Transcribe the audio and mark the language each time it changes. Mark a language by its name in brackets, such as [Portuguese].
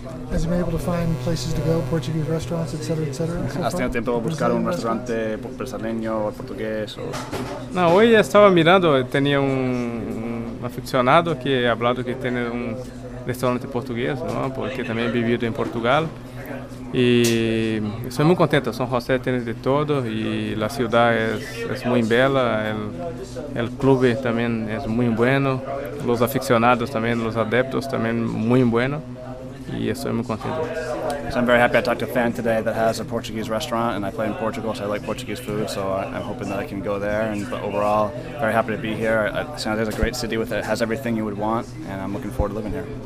[English] Has he been able to find places to go, Portuguese restaurants, etc., etc.? [Spanish] ¿Has tenido tiempo de buscar un restaurante brasileño o portugués? No, hoy estaba mirando, tenía un aficionado que ha hablado que tiene un restaurante portugués, ¿no? Porque también he vivido en Portugal. Y estoy muy contento. San José tiene de todo y la ciudad es muy bella. El club también es muy bueno. Los aficionados también, los adeptos también muy bueno. Y estoy muy contento. [English] So I'm very happy I talked to a fan today that has a Portuguese restaurant, and I play in Portugal, so I like Portuguese food, so I'm hoping that I can go there. But overall, very happy to be here. San José is a great city, it has everything you would want, and I'm looking forward to living here.